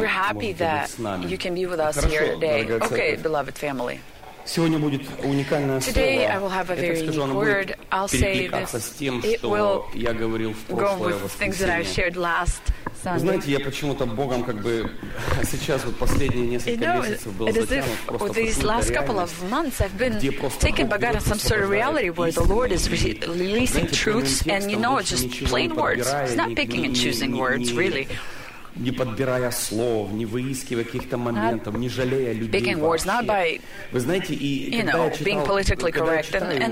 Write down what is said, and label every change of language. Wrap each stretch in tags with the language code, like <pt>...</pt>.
<ru>можете быть с нами.</ru> <en>You can be with us here today. Okay, beloved family.</en> <ru>Сегодня будет уникальное слово.</ru> <en>Today I will have a very unique word. I'll say this. It will go with things that I shared last Sunday.</en> <ru>Знаете, я почему-то Богом как бы сейчас вот последние несколько месяцев был затянут просто.</ru> <en>These last couple of months I've been taken by God in some sort of reality where the Lord is releasing truths and you know it's just plain words. It's not picking and choosing words really.</en> <ru>Не подбирая слов, не выискивая каких-то моментов, не жалея людей вообще. Вы знаете, и когда я читал,</ru>